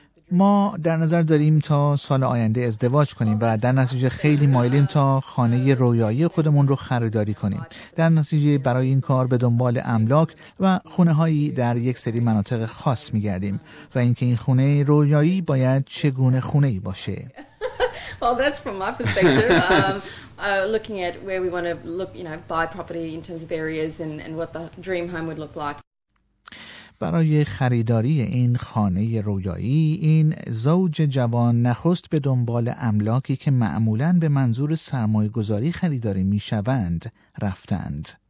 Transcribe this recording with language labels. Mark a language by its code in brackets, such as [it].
[fa] ما در نظر داریم تا سال آینده ازدواج کنیم و در نتیجه خیلی مایلیم تا خانه رویایی خودمون رو خریداری کنیم. در نتیجه برای این کار به دنبال املاک و خونه هایی در یک سری مناطق خاص میگردیم و اینکه این خونه رویایی باید چگونه خونه ای باشه. [en] Well, that's from my perspective. Looking at where we want to look, you know, buy property in terms of areas and what the dream home would look like. [fa] برای خریداری این خانه رویایی، این زوج جوان نخست به دنبال املاکی که معمولاً به منظور سرمایه گذاری خریداری می شوند رفتند.